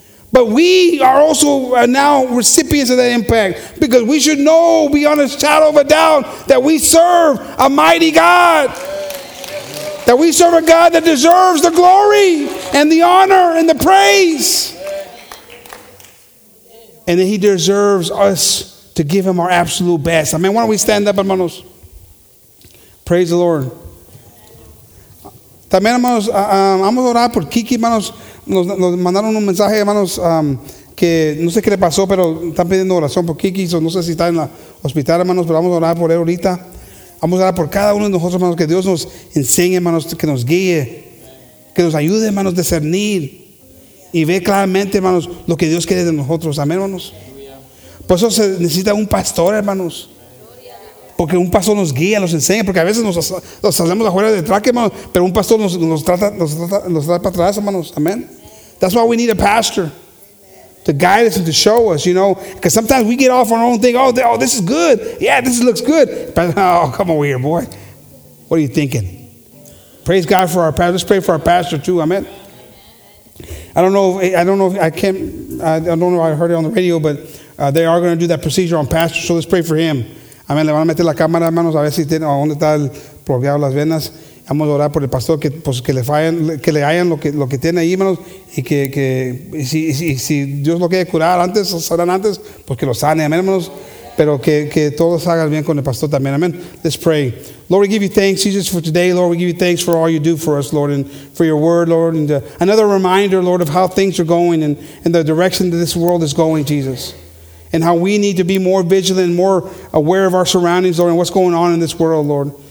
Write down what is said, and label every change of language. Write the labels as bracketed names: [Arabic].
[English] But we are also now recipients of that impact because we should know beyond a shadow of a doubt that we serve a mighty God. That we serve a God that deserves the glory and the honor and the praise. And that he deserves us to give him our absolute best. I mean, why don't we stand up, hermanos? Praise the Lord. [Spanish] También, hermanos, vamos a orar por Kiki, hermanos. Nos mandaron un mensaje, hermanos, que no sé qué le pasó, pero están pidiendo oración por Kiki. So no sé si está en el hospital, hermanos, pero vamos a orar por él ahorita. Vamos a orar por cada uno de nosotros, hermanos, que Dios nos enseñe, hermanos, que nos guíe, que nos ayude, hermanos, a discernir y ver claramente, hermanos, lo que Dios quiere de nosotros. Amén, hermanos. Por eso se necesita un pastor, hermanos. Porque un pastor nos guía, nos enseña, porque a veces nos salimos afuera de track, hermanos, pero un pastor nos trata para atrás, hermanos. [English] Amén. That's why we need a pastor. To guide us and to show us, you know. Because sometimes we get off on our own thing. Oh, this is good. Yeah, this looks good. But, oh, come over here, boy. What are you thinking? Praise God for our pastor. Let's pray for our pastor, too. Amen. I don't know if I heard it on the radio, but they are going to do that procedure on pastor. So let's pray for him. [Spanish] Amen. Le van a meter la cámara, hermanos, a ver si tiene, dónde está el plugado las venas. Vamos a orar por el pastor que pues que le hayan lo que tiene ahí, hermanos, y que si Dios lo quiere curar antes o sanar antes, pues que lo sane, amén, hermanos, pero que todo salga bien con el pastor también, amén. [English] Let's pray. Lord, we give you thanks, Jesus, for today. Lord, we give you thanks for all you do for us, Lord, and for your word, Lord, and another reminder, Lord, of how things are going and the direction that this world is going, Jesus. And how we need to be more vigilant, more aware of our surroundings, Lord, and what's going on in this world, Lord.